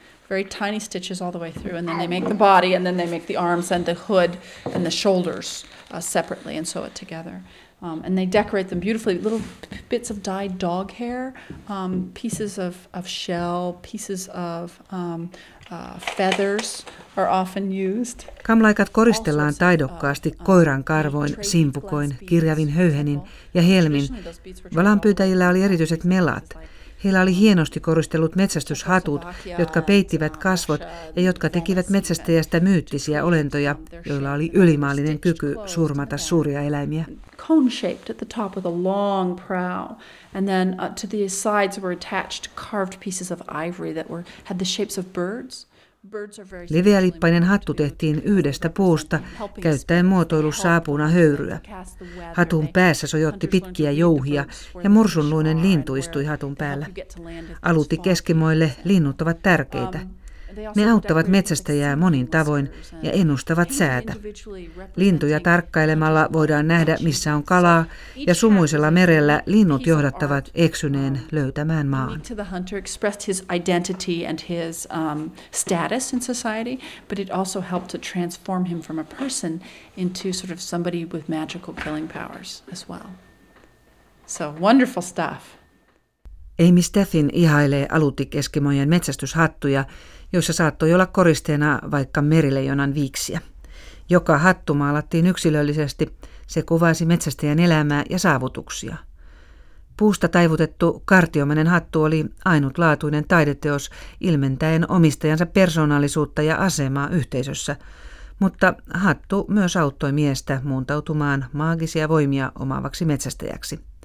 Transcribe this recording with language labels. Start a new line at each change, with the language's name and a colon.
English: Very tiny stitches all the way through, and then they make the body, and then they make the arms and the hood and the shoulders separately and sew it together. And they decorate them beautifully, little bits of dyed dog hair, pieces of shell, pieces of feathers are often used.
Finnish: Kamlaikat koristellaan taidokkaasti koiran karvoin, simpukoin, kirjavin höyhenin ja helmin. Valaanpyytäjillä oli erityiset melat. Heillä oli hienosti koristellut metsästyshatut, jotka peittivät kasvot ja jotka tekivät metsästäjästä myyttisiä olentoja, joilla oli ylimaallinen kyky surmata suuria eläimiä.
English: Cone-shaped at the top with a long prow, and then to the sides were attached carved pieces of ivory that had the shapes of birds.
Finnish: Leveälippainen hattu tehtiin yhdestä puusta, käyttäen muotoilussa apuna höyryä. Hatun päässä sojotti pitkiä jouhia ja mursunluinen lintu istui hatun päällä. Alutti keskimoille, linnut ovat tärkeitä. Ne auttavat metsästäjää monin tavoin ja ennustavat säätä. Lintuja tarkkailemalla voidaan nähdä, missä on kalaa, ja sumuisella merellä linnut johdattavat eksyneen löytämään maan.
English: The hunter expressed his identity and his status in society, but it also helped to transform him from a person into sort of somebody with magical killing powers as well. So wonderful stuff.
Finnish: Amy Steffin ihailee aluttikeskimojen metsästyshattuja, joissa saattoi olla koristeena vaikka merileijonan viiksiä. Joka hattu maalattiin yksilöllisesti, se kuvasi metsästäjän elämää ja saavutuksia. Puusta taivutettu kartiomainen hattu oli ainutlaatuinen taideteos ilmentäen omistajansa persoonallisuutta ja asemaa yhteisössä, mutta hattu myös auttoi miestä muuntautumaan maagisia voimia omaavaksi metsästäjäksi.